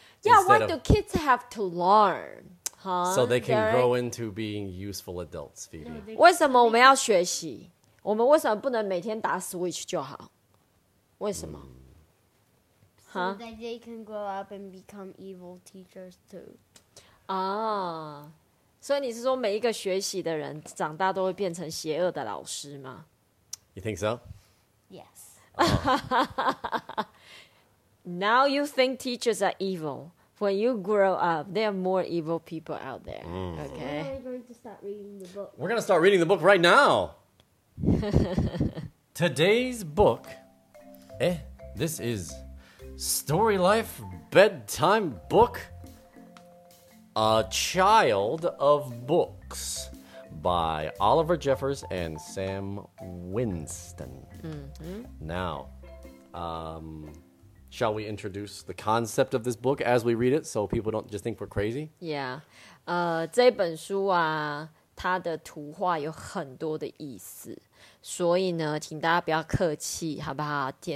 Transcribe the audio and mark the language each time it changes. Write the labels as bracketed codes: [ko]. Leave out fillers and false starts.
[en] Yeah, why do kids have to learn, huh? So they can grow into being useful adults, Phoebe. [zh] 为什么我们要学习?我们为什么不能每天打switch就好?为什么?Mm. [en] So that they can grow up and become evil teachers too. [zh] Ah, 所以你是说每一个学习的人长大都会变成邪恶的老师吗? [en] You think so? Yes. Now you think teachers are evil. When you grow up, there are more evil people out there. Mm. Okay. So we're going to start reading the book. We're going to start reading the book right now. Today's book. This is. Story Life Bedtime Book, A Child of Books, by Oliver Jeffers and Sam Winston. Mm-hmm. Now, shall we introduce the concept of this book as we read it so people don't just think we're crazy? Yeah. [zh] 这本书啊, 它的图画有很多的意思。所以呢,请大家不要客气,好不好?